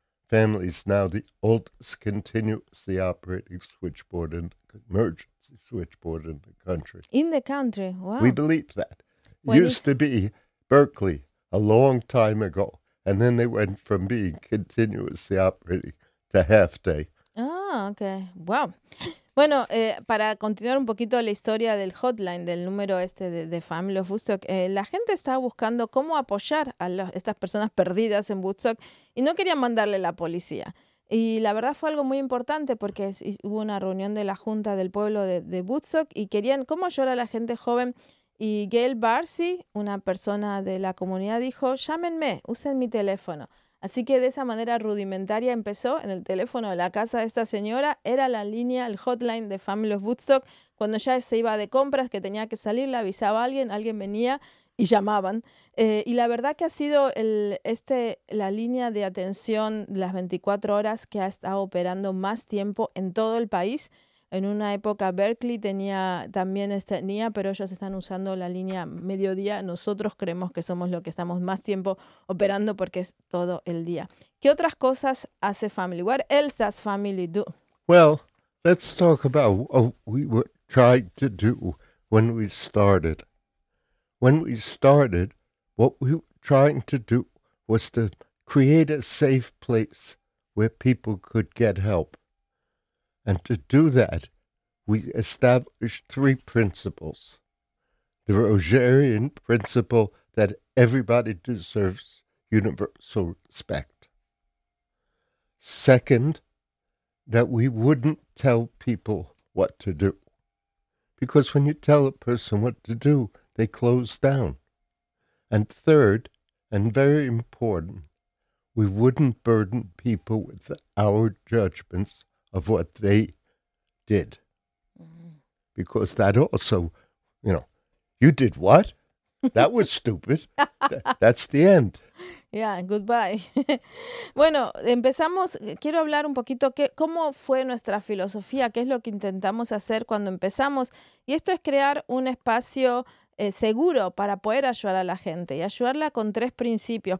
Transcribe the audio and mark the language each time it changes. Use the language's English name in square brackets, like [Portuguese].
[English] families now, the oldest continuously operating switchboard and emergency switchboard in the country. In the country, wow. We believe that. It used to be Berkeley a long time ago, and then they went from being continuously operating to half day. Ah, okay. Wow. [Spanish] Bueno, para continuar un poquito la historia del hotline, del número este de Family of Woodstock, la gente estaba buscando cómo apoyar a estas personas perdidas en Woodstock y no querían mandarle la policía. Y la verdad fue algo muy importante porque hubo una reunión de la Junta del Pueblo de Woodstock y querían cómo ayudar a la gente joven. Y Gail Barcy, una persona de la comunidad, dijo, llámenme, usen mi teléfono. Así que de esa manera rudimentaria empezó en el teléfono de la casa de esta señora. Era la línea, el hotline de Family of Woodstock. Cuando ya se iba de compras, que tenía que salir, le avisaba a alguien, alguien venía y llamaban. Y la verdad que ha sido la línea de atención las 24 horas que ha estado operando más tiempo en todo el país. En una época Berkeley tenía, pero ellos están usando la línea mediodía. Nosotros creemos que somos los que estamos más tiempo operando porque es todo el día. ¿Qué otras cosas hace Family? [English] What else does Family do? Well, let's talk about what we were trying to do when we started. When we started, what we were trying to do was to create a safe place where people could get help. And to do that, we established three principles. The Rogerian principle that everybody deserves universal respect. Second, that we wouldn't tell people what to do. Because when you tell a person what to do, they close down. And third, and very important, we wouldn't burden people with our judgments of what they did. Because that also, you know, you did what? That was stupid. That's the end. Yeah, goodbye. [Spanish] Bueno, empezamos, quiero hablar un poquito cómo fue nuestra filosofía, qué es lo que intentamos hacer cuando empezamos. Y esto es crear un espacio seguro para poder ayudar a la gente y ayudarla con tres principios.